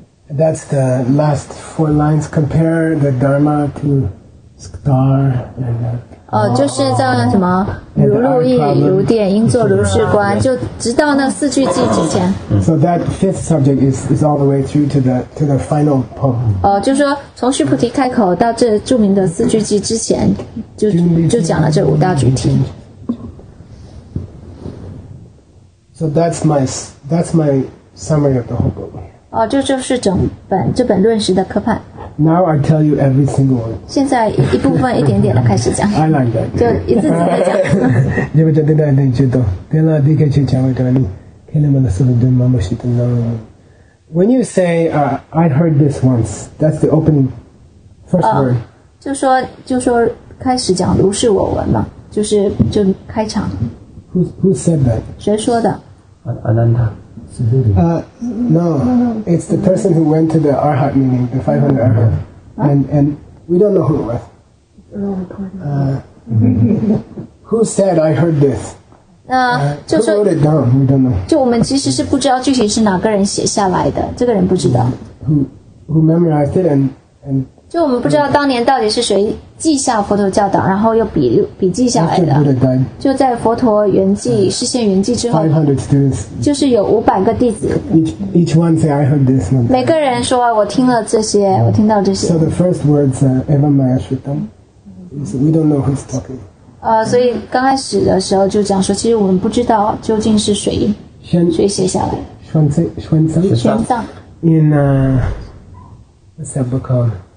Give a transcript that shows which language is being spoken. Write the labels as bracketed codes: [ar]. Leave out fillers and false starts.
[en] That's the last four lines. Compare the Dharma to star and. [zh] 就是叫什么？如露亦如电，应作如是观。就直到那四句偈之前。 [en] So that fifth subject is all the way through to the final poem. [zh] 就说从须菩提开口到这著名的四句偈之前，就讲了这五大主题。 [en] So that's my summary of the whole book. [zh] 就是这本论时的科判。 [en] Now I tell you every single one. [zh] 现在一部分一点点的开始讲。 [en] I like that. [zh] 就一字字的讲。你们讲的那点就多。对了，第一个就讲我讲你，看你们的速度多么是多么。 [en] When you say, "I heard this once," that's the opening first word. [zh] 就说开始讲如是我闻嘛，就是就开场。 [en] Who said that? [zh] 谁说的？ [en] Ananda. No, it's the person who went to the Arhat meeting, the 500 Arhat. And we don't know who it was. Who said, I heard this? Who wrote it down? We don't know. [zh] 就我们其实是不知道具体是哪个人写下来的，这个人不知道。 [en] Who memorized it and [zh] 就我们不知道当年到底是谁记下佛陀教导，然后又笔记下来的。 [en] After Buddha died, [zh] 就在佛陀圆寂，视线圆寂之后。 [en] 500 students. [zh] 就是有500个弟子。 [en] Each one say, I heard this. [zh] 每个人说我听了这些，我听到这些。 [en] So the first words [sa] Eva Maya Shritam [en] is, we don't know who's talking. [zh] 所以刚开始的时候就讲说，其实我们不知道究竟是谁谁写下来。玄奘。 [en] In what's that book called?